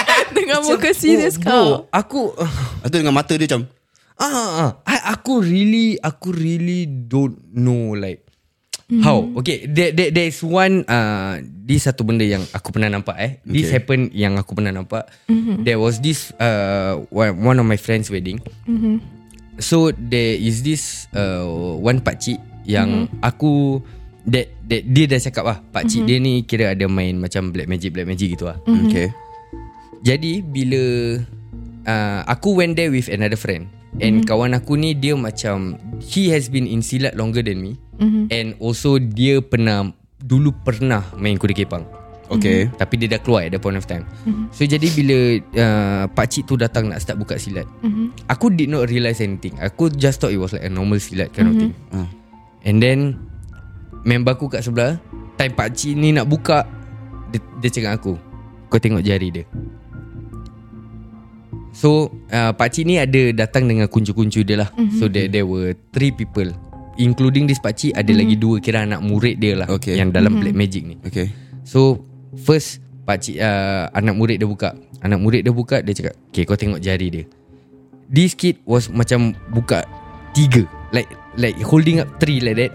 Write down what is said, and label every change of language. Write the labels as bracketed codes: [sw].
[ms] Dengan muka serius kau. Aku atau dengan mata dia macam [en] aku really don't know like How? Okay, there's one, this [ms] satu benda yang aku pernah nampak eh. Okay. [en] This happen [ms] yang aku pernah nampak. Mm-hmm. [en] There was this one of my friend's wedding. Mm-hmm. So there is this one [ms] pakcik yang [en] mm-hmm. [ms] aku that dia dah cakap lah, pakcik mm-hmm. dia ni kira ada main macam [en] black magic [ms] gitu lah. Mm-hmm. Okay. Jadi bila aku [en] went there with another friend and mm-hmm. [ms] kawan aku ni dia macam [en] he has been in Silat longer than me. [ms] Mm-hmm. [en] And also [ms] dia pernah main kuda kepang. Okay. Mm-hmm. Tapi dia dah keluar [en] at the point of time. [ms] Mm-hmm. So jadi bila pakcik tu datang nak start buka silat, mm-hmm. [en] aku did not realize anything. Aku just thought it was like a normal silat kind mm-hmm. of thing. And then [ms] member aku kat sebelah, time pakcik ni nak buka, dia cakap aku, kau tengok jari dia. So pakcik ni ada datang dengan kuncu-kuncu dia lah. Mm-hmm. [en] So there were three people, including this pakcik, ada mm-hmm. [ms] lagi dua kira anak murid dia lah. Okay. Yang dalam mm-hmm. [en] black magic [ms] ni. Okay. So first pakcik, anak murid dia buka, dia cakap, okay kau tengok jari dia. [en] This kid was [ms] macam buka tiga, [en] like holding up three like that.